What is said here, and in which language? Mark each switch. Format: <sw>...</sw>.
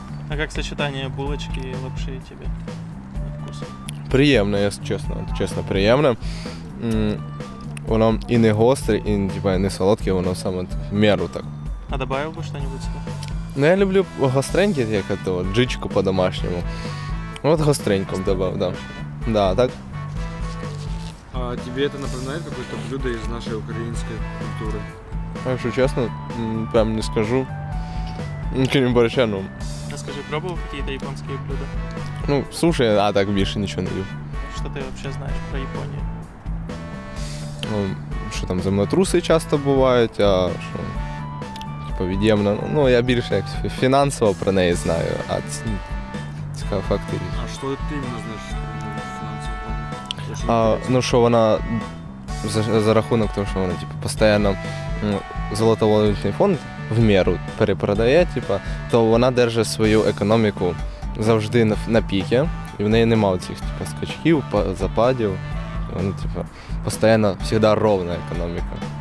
<ru>А как сочетание булочки и лапши тебе?</ru> <uk>Приємно, я чесно, чесно, приємно. Воно і не гостре, і типа, не солодке, воно саме в меру так. А добавив би щось сюди? Ну, я люблю гостреньке, як то, джичку по-домашньому. От гостреньку б добав, так. Да. Да, так. А тобі це напоминає якесь блюдо із нашої української культури? Якщо чесно, прям не скажу. Крім борща, ну. А скажи, пробував якісь японські блюда?</uk> <ru>Ну, слушай, а так больше ничего не ем. Что ты вообще знаешь про Японию? Ну, что там землетрусы часто бывают, а что, типа, видимо, ну, я больше финансово</ru> <uk>про неї знаю, а цікаві факти.</uk> <ru>А что ты именно знаешь финансово?</ru> <uk>Ну, что она за рахунок того,</uk> <ru>что она, типа, постоянно</ru> <uk>золотовалютний фонд в меру перепродає, типа, то вона держит свою економіку завжди на піке, і в неї нема цих типу, скачків, западів. Вона, типу, постійно, завжди ровна економіка.</uk>